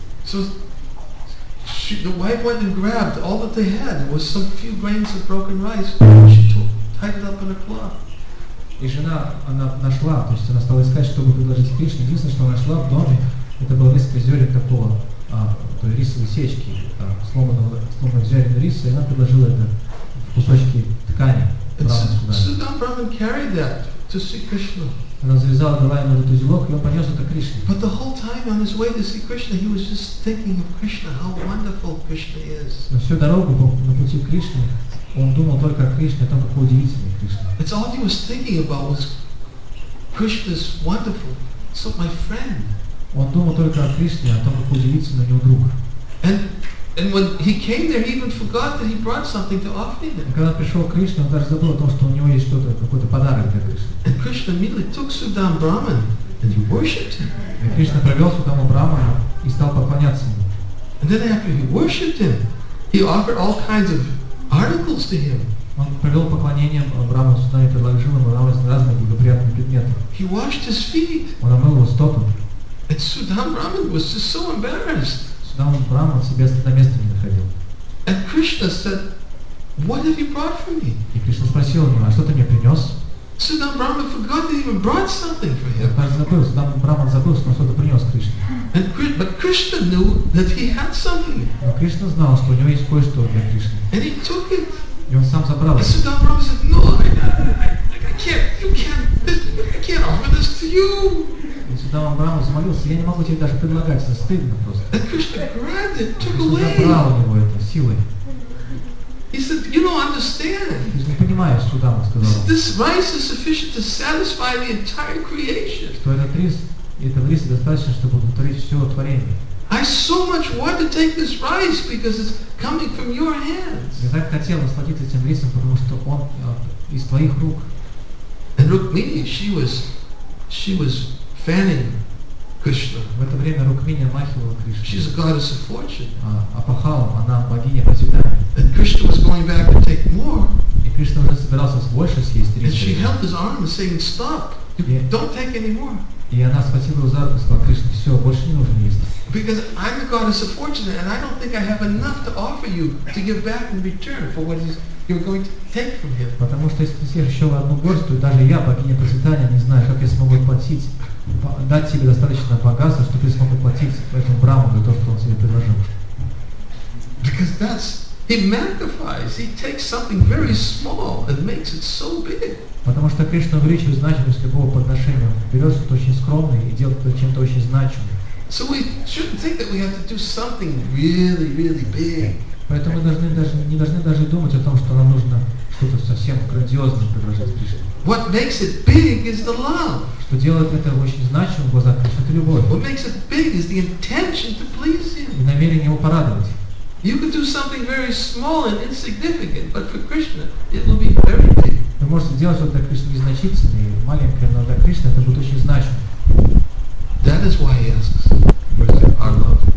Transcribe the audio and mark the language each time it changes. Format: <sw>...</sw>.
<en>So the wife went and grabbed all that they had. It was some few grains of broken rice. She tied it up in a cloth.</en> <ru>И жена, она нашла, то есть она стала искать, чтобы предложить Кришне. Единственное, что она нашла в доме, это было несколько зерен такого, той рисовой сечки, сломанного зерен риса, и она предложила это в кусочки ткани.</ru> <en>Sudama Brahman carried that to see Krishna.</en> <ru>Она завязала, дала ему этот узелок, и он понес это Кришне.</ru> <en>But the whole time on his way to see Krishna, he was just thinking of Krishna, how wonderful Krishna is.</en> <ru>Но всю дорогу на пути к Кришне он думал только о Кришне, о том, какой удивительный Кришна.</ru> <en>It's all he was thinking about was Krishna's wonderful. So my friend.</en> <ru>Он думал только о Кришне, о том, какой удивительный у него друг.</ru> <en>And when he came there, he even forgot that he brought something to offer him.</en> <ru>Когда пришел Кришна, он даже забыл о том, что у него есть что-то, какой-то подарок для Кришны.</ru> <en>And Krishna immediately took Sudama Brahman and he worshipped him.</en> <ru>И Кришна провел Судаму Брахмана и стал поклоняться ему.</ru> <en>And then after he worshipped him, he offered all kinds of articles to him.</en> <ru>Он привел поклонением Брахма сюда и предложил ему разные благоприятные предметы.</ru> <en>He washed his feet.</en> <ru>Он омыл его стопы.</ru> <en>And Sudama Brahman was just so embarrassed.</en> <ru>Sudama Brahman себе на место не находил.</ru> <en>And Krishna said, "What have you brought for me?"</en> <ru>И Кришна спросил его, а что ты мне принес?</ru> <en>Sudama Brahman forgot that he even brought something for him.</en> <ru>Он забыл, Sudama Brahman забыл, что он что-то принес Кришне.</ru> <en>And but Krishna knew that he had something.</en> <ru>Но Кришна знал, что у него есть кое-что для Кришны.</ru> <en>And he took it.</en> <ru>И он сам забрал.</ru> <en>And Sudama Brahman said, "No, I can't offer this to you."</en> <ru>И Sudama Brahman замолился, я не могу тебе даже предлагать, это стыдно просто.</ru> <en>And Krishna grabbed it, took away.</en> <ru>Забрал у него это силой.</ru> <en>He said, "You don't understand."</en> <ru>Ты же не понимаешь, Sudama сказал.</ru> <en>This rice is sufficient to satisfy the entire creation.</en> <ru>Что этот рис, достаточно, чтобы удовлетворить все творение.</ru> <en>I so much want to take this rice because it's coming from your hands.</en> <ru>Я так хотел насладиться этим рисом, потому что он из твоих рук.</ru> <en>And Rukmini, she was fanning Krishna.</en> <ru>В это время Рукмини махивала Кришну.</ru> <en>She's a goddess of fortune.</en> <ru>Апахала, она богиня процветания.</ru> <en>And Krishna was going back to take more.</en> <ru>И Кришна уже собирался больше съесть рис.</ru> <en>And she held his arm and saying, "Stop! Yeah. Don't take any more."</en> <ru>И она схватила его за руку и сказала, Кришна, все, больше не нужно есть.</ru> <en>Because I'm the goddess of fortune, and I don't think I have enough to offer you to give back in return for what you're going to take from him.</en> <ru>Потому что если ты съешь еще одну горсть, даже я, богиня процветания, не знаю, как я смогу дать тебе достаточно богатства, чтобы ты смог оплатить этому Брахману за то, что он тебе предложил.</ru> <en>Because that's he magnifies. He takes something very small and makes it so big.</en> <ru>Потому что Кришна увеличивает значимость любого подношения. Он берет что-то очень скромное и делает это чем-то очень значимым.</ru> <en>So we shouldn't think that we have to do something really, really big.</en> <ru>Поэтому мы не должны даже думать о том, что нам нужно что-то совсем грандиозное предложить Кришне.</ru> <en>What makes it big is the love.</en> <ru>Что делает это очень значимым в глазах Кришны, это любовь.</ru> <en>What makes it big is the intention to please Him.</en> <ru>И намерение Его порадовать.</ru> <en>You could do something very small and insignificant, but for Krishna, it will be very big.</en> <ru>Вы можете делать что-то для Кришны незначительное, маленькое, но для Кришны это будет очень значимо.</ru> <en>That is why He asks for our love.</en>